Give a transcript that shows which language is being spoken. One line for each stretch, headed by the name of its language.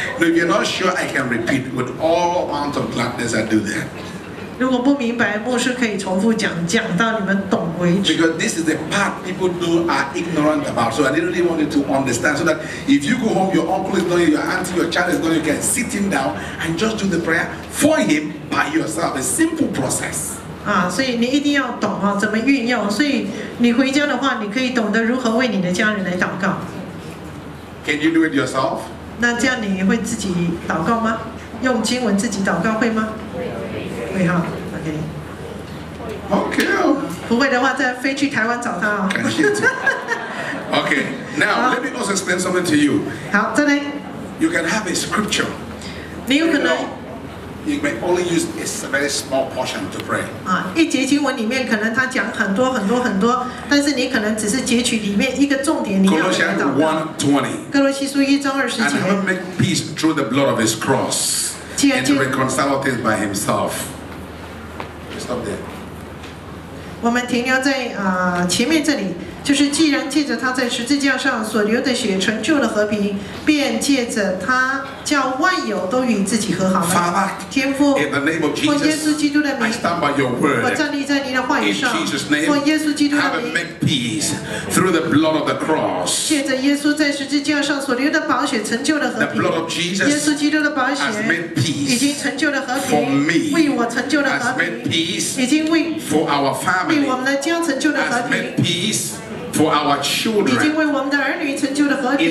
English: No, if you're not sure, I can repeat with all amount of gladness. I do that.
Chinese: 如果不明白，牧师可以重复讲，讲到你们懂为止。
English: Because this is the part people do are ignorant about, so I really want you to understand, so that if you go home, your uncle is going, your auntie, your child is going, you can sit him down and just do the prayer for him by yourself. A simple process.
Chinese: 啊，所以你一定要懂啊，怎么运用。所以你回家的话，你可以懂得如何为你的家人来祷告。
English: Can you do it yourself?
Chinese: 那这样你会自己祷告吗？用经文自己祷告会吗？对哈 ，OK。 OK。不会的话，再飞去台湾找他啊。 OK。
English: Now let me also explain something to you。
Chinese: 好，再来。
English: You can have a scripture。
Chinese: 你有可能。
English: You may only use a very small portion to pray。
Chinese: 啊，一节经文里面可能他讲很多很多很多，但是你可能只是截取里面一个重点，你要来祷告。 1:20。哥罗西书一章二十节。
English: And have made peace through the blood of His cross。 And to reconcile things by himself. Stop there.
Chinese: 我们停留在前面这里，就是既然借着他在十字架上所流的血成就了和平，便借着他叫万有都与自己和好了。
English: Father,
Chinese: 天父，奉耶稣基督的名，
English: I stand by your word.
Chinese: 我站立在您的话语上。
English: In Jesus' name,
Chinese: 奉耶稣基督的名，
English: have made peace through the blood of the cross.
Chinese: 借着耶稣在十字架上所流的宝血成就了和平。
English: The blood of Jesus,
Chinese: 耶稣基督的宝血，
English: has made peace
Chinese: 已经成就了和平。
English: For me,
Chinese: 为我成就了和平。
English: Has made peace
Chinese: 已经为
English: for our family
Chinese: 为我们的家成就了和平。
English: Has made peace. For our children,
Chinese: 已经为我们的儿女成就了和平。